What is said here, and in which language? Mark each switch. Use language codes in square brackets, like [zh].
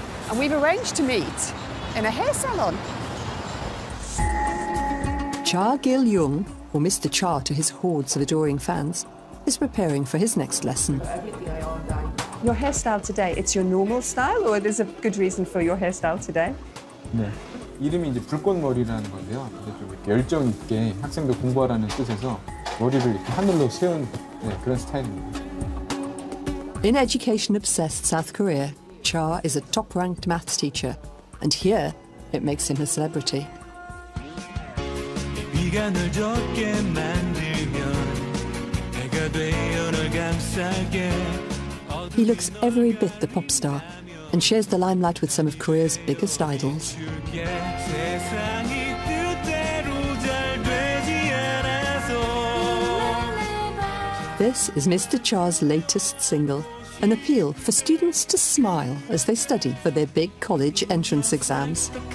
[en] And we've arranged to meet in a hair salon. Cha Gil-young, or Mr. Cha to his hordes of adoring fans, is preparing for his next lesson. Your hairstyle today, it's your normal style, or there's a good reason for your hairstyle today? [ko] 네. 이름이 이제 불꽃머리라는 건데요. 이제 좀 이렇게 열정 있게 학생들 공부하라는 뜻에서 머리를 이렇게 하늘로 세운 네, 그런 스타일입니다. [en] In education-obsessed South Korea, Cha is a top-ranked maths teacher, and here it makes him a celebrity. [ko] 비가 널 적게 만들면 해가 되어 널 감싸게. [en] He looks every bit the pop star and shares the limelight with some of Korea's biggest idols. This is Mr. Cha's latest single, an appeal for students to smile as they study for their big college entrance exams.